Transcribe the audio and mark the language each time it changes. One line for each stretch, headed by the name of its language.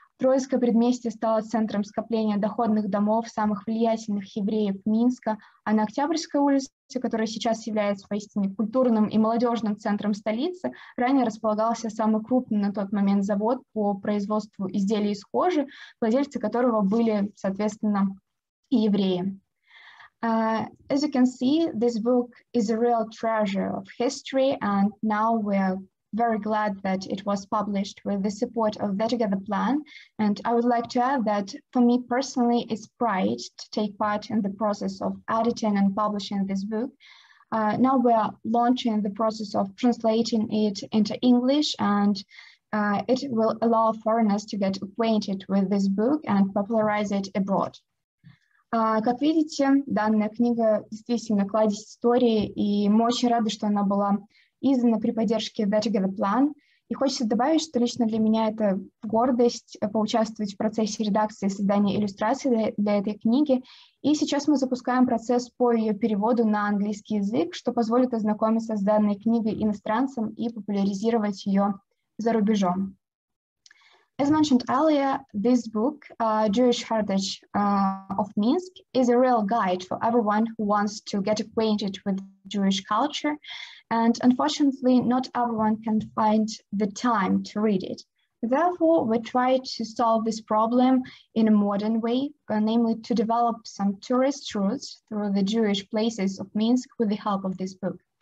Russian: Троицкое предместье стало центром скопления доходных домов самых влиятельных евреев Минска, а на Октябрьской улице, которая сейчас является поистине культурным и молодежным центром столицы, ранее располагался самый крупный на тот момент завод по производству изделий из кожи, владельцы которого были, соответственно, евреи.
English: As you can see, this book is a real treasure of history, and now we are very glad that it was published with the support of the Together Plan. And I would like to add that for me personally, it's pride to take part in the process of editing and publishing this book. Now we are launching the process of translating it into English, and it will allow foreigners to get acquainted with this book and popularize it abroad.
Russian: Как видите, данная книга действительно кладезь истории, и мы очень рады, что она была издана при поддержке The Together Plan. И хочется добавить, что лично для меня это гордость поучаствовать в процессе редакции и создания иллюстраций для этой книги. И сейчас мы запускаем процесс по ее переводу на английский язык, что позволит ознакомиться с данной книгой иностранцам и популяризировать ее за рубежом.
English: As mentioned earlier, this book, Jewish Heritage of Minsk, is a real guide for everyone who wants to get acquainted with Jewish culture. And unfortunately, not everyone can find the time to read it. Therefore, we try to solve this problem in a modern way, namely to develop some tourist routes through the Jewish places of Minsk with the help of this book.